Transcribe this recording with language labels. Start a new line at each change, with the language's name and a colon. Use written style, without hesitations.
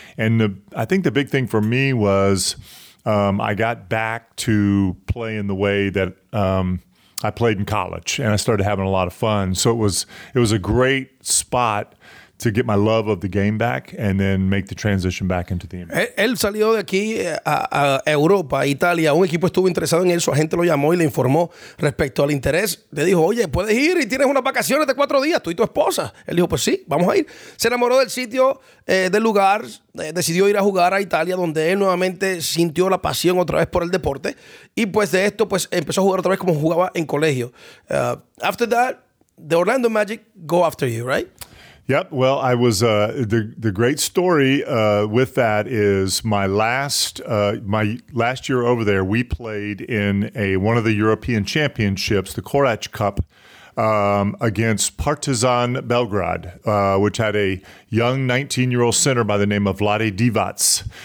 English: And I think the big thing for me was I got back to play in the way that I played in college, and I started having a lot of fun. So it was a great spot to get my love of the game back and then make the transition back into the NBA.
Spanish: Él salió de aquí a Europa, Italia. Un equipo estuvo interesado en él. Su agente lo llamó y le informó respecto al interés. Le dijo, oye, puedes ir y tienes unas vacaciones de 4 días, tú y tu esposa. Él dijo, pues sí, vamos a ir. Se enamoró del sitio, del lugar. Decidió ir a jugar a Italia, donde él nuevamente sintió la pasión otra vez por el deporte. Y pues de esto, pues empezó a jugar otra vez como jugaba en colegio.
English: After that, the Orlando Magic go after you, right? Yep. Well, I was the great story with that is my last year over there, we played in one of the European championships, the Korać Cup, against Partizan Belgrade, which had a young 19-year-old center by the name of Vlade Divac.